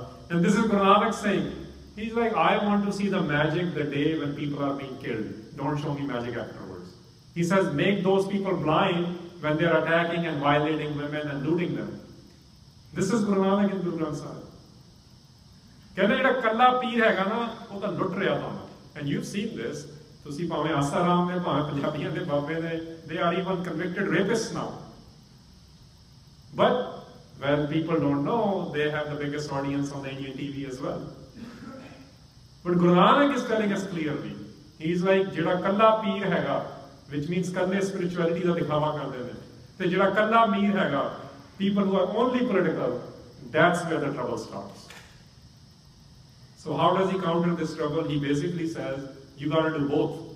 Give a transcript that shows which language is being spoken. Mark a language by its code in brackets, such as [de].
[en] And this is Guru Nanak saying, he's like, I want to see the magic the day when people are being killed. Don't show me magic afterwards. He says, make those people blind when they are attacking and violating women and looting them. This is Guru Nanak in Guru Granth Sahib. [pa] ਕਹਿੰਦੇ ਜਿਹੜਾ ਇਕੱਲਾ ਪੀਰ ਹੈਗਾ ਨਾ ਉਹ ਤਾਂ ਲੁੱਟ ਰਿਹਾ ਤਾ. [en] and you seen this, [pa] ਤੁਸੀਂ ਭਾਵੇਂ ਆਸਾ ਰਾਮ ਦੇ ਭਾਵੇਂ ਪੰਜਾਬੀਆਂ ਦੇ ਬਾਬੇ ਦੇ, [en] They are even convicted rapist now. But when people don't know, they have the biggest audience on Indian TV as well. But Guru Nanak is telling us clearly, he is like, [pa] ਜਿਹੜਾ ਇਕੱਲਾ ਪੀਰ ਹੈਗਾ, [en] which means [pa] ਇਕੱਲੇ ਸਪਿਰਚੁਅਲਿਟੀ ਦਾ ਦਿਖਾਵਾ ਕਰਦੇ ਨੇ, ਤੇ ਜਿਹੜਾ ਇਕੱਲਾ ਮੀਰ ਹੈਗਾ, [en] People who are only political, that's where the trouble starts. So how does he counter this trouble? He basically says, you got to do both.